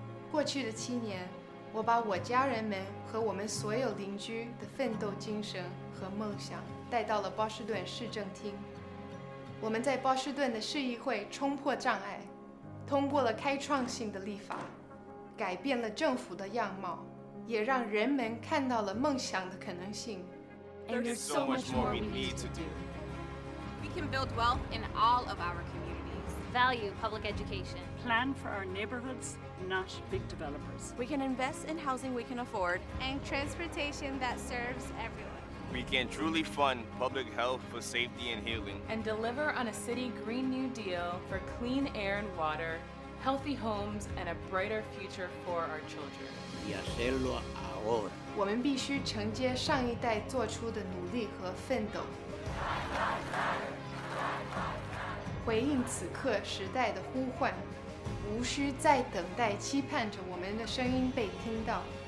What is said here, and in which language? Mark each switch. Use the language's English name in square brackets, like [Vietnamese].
[Chinese] 过去的七年，我把我家人们和我们所有邻居的奋斗精神和梦想带到了波士顿市政厅。我们在波士顿的市议会冲破障碍，通过了开创性的立法，改变了政府的样貌，也让人们看到了梦想的可能性。 [English] There is so much more we need to do. We can build wealth in all of our communities. Value public education. Plan for our neighborhoods. Not big developers. We can invest in housing we can afford and transportation that serves everyone. We can truly fund public health for safety and healing and deliver on a city Green New Deal for clean air and water, healthy homes, and a brighter future for our children. [Spanish] Y hacerlo ahora. [Chinese] 我们必须承接上一代做出的努力和奋斗，回应此刻时代的呼唤。无需再等待，期盼着我们的声音被听到。